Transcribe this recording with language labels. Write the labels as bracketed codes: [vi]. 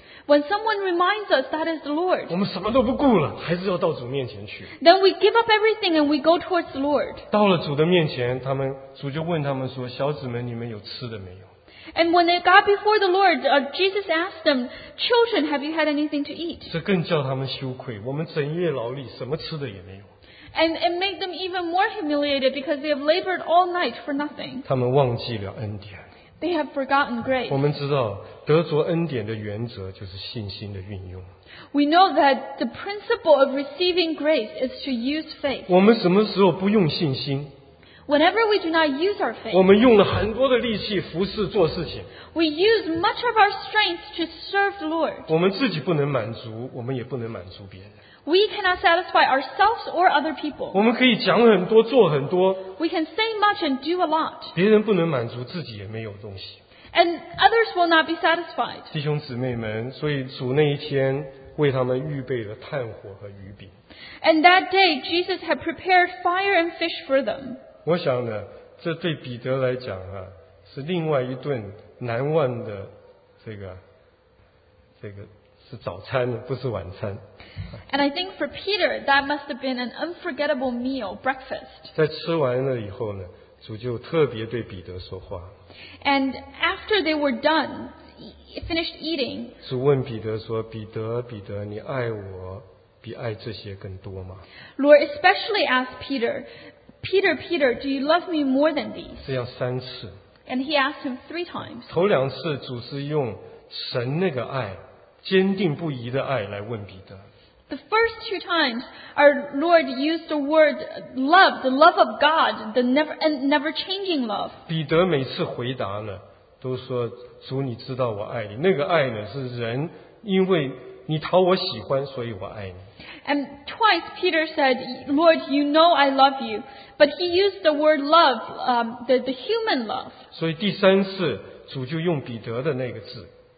[en] When someone reminds us that is the Lord, [zh] 我们什么都不顾了，还是要到主面前去。 [en] Then we give up everything and we go towards the Lord. [zh] 到了主的面前，他们主就问他们说：“小子们，你们有吃的没有？” [en] And when they got before the Lord, Jesus asked them, "Children, have you had anything to eat?" [zh] 这更叫他们羞愧。我们整夜劳力，什么吃的也没有。 [en] And it made them even more humiliated because they have labored all night for nothing. [zh] 他们忘记了恩典。 [en] They have forgotten grace. [zh] 我们知道得着恩典的原则就是信心的运用。 [en] We know that the principle of receiving grace is to use faith. [zh] 我们什么时候不用信心？ [en] Whenever we do not use our faith. [zh] 我们用了很多的力气服侍做事情。 [en] We use much of our strength to serve the Lord. [zh] 我们自己不能满足，我们也不能满足别人。 [en] We cannot satisfy ourselves or other people. [zh] 我们可以讲很多，做很多。 [en] We can say much and do a lot. [zh] 别人不能满足，自己也没有东西。 [en] And others will not be satisfied. [zh] 弟兄姊妹们，所以主那一天为他们预备了炭火和鱼饼。 [en] And that day, Jesus had prepared fire and fish for them. [zh] 我想呢，这对彼得来讲啊，是另外一顿难忘的这个。是早餐，不是晚餐。 [en] And I think for Peter, that must have been an unforgettable meal, breakfast. [zh] 在吃完了以后呢，主就特别对彼得说话。 [en] And after they were done, finished eating, [zh] 主问彼得说：“彼得，彼得，你爱我比爱这些更多吗？” [en] Lord especially asked Peter, "Peter, Peter, do you love me more than these?" [zh] 这样三次。 [en] And he asked him three times. [zh] 头两次主是用神那个爱。坚定不移的爱来问彼得。 [en] The first two times, our Lord used the word love, the love of God, the never changing love. [zh] 彼得每次回答呢，都说主你知道我爱你。那个爱呢，是人因为你讨我喜欢，所以我爱你。 [en] And twice Peter said, Lord, you know I love you. But he used the word love, the human love. [zh] 所以第三次主就用彼得的那个字。